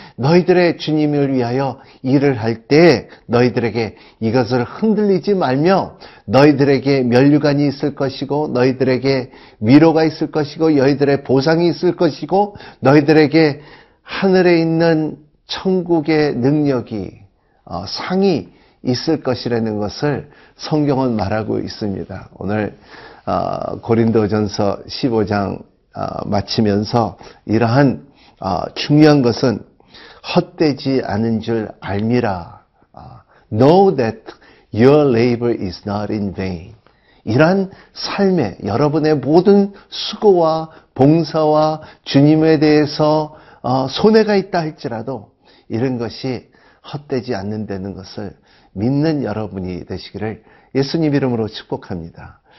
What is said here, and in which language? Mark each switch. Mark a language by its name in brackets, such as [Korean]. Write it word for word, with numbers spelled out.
[Korean] 너희들의 주님을 위하여 일을 할 때 너희들에게 이것을 흔들리지 말며, 너희들에게 면류관이 있을 것이고, 너희들에게 위로가 있을 것이고, 너희들의 보상이 있을 것이고, 너희들에게 하늘에 있는 천국의 능력이, 어, 상이 있을 것이라는 것을 성경은 말하고 있습니다. 오늘 어, 고린도전서 십오 장 어, 마치면서 이러한 어, 중요한 것은 헛되지 않은 줄 알미라. [English] 어, know that your labor is not in vain. [Korean] 이러한 삶에 여러분의 모든 수고와 봉사와 주님에 대해서 어, 손해가 있다 할지라도 이런 것이 헛되지 않는다는 것을 믿는 여러분이 되시기를 예수님 이름으로 축복합니다.